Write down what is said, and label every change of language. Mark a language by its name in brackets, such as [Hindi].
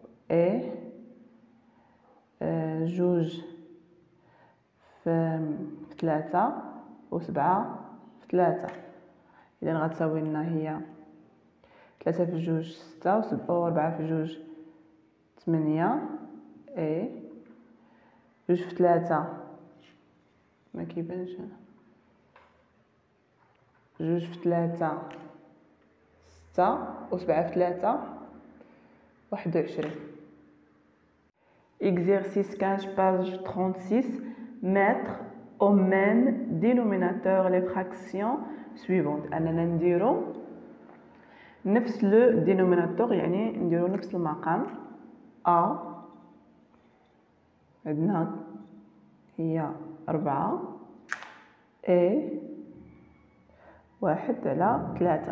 [Arabic] اي جوج في 3 و 7 في 3، اذا غتساوي لنا هي 3 في 2 6 و 4 في 2 8 اي، جوج في 3 ما كيبانش، جوج في 3 6 و 7 في 3 21. [French] Exercice 15, page 36. Mettre au même dénominateur les fractions suivantes. Nous allons [Arabic] نفس [French] le dénominateur, [Arabic] يعني نديرو نفس المقام. A. عندنا هي أربعة A واحد على ثلاثة.